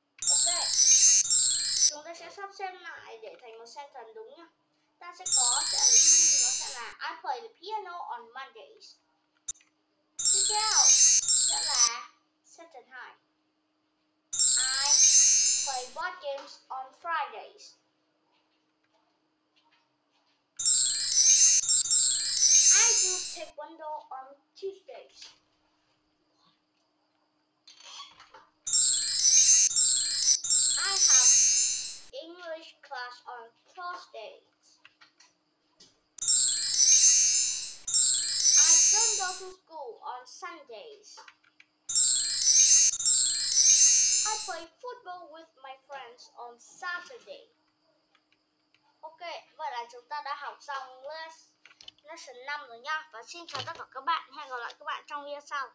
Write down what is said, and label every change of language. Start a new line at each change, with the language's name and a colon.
Vietnamese: Ok, chúng ta sẽ sắp xếp lại để thành một sentence đúng nhá. Ta sẽ có trả lời nó sẽ là
English: I play the piano on Mondays.
Vietnamese: Tiếp theo sẽ là sentence 2.
English: I play board games on Fridays. I do taekwondo on Tuesdays. I have English class on Thursdays. I don't go to school on Sundays. I play football with my friends on Saturday.
Vietnamese: Ok, vậy là chúng ta đã học xong lesson 5 rồi nha. Và xin chào tất cả các bạn. Hẹn gặp lại các bạn trong video sau.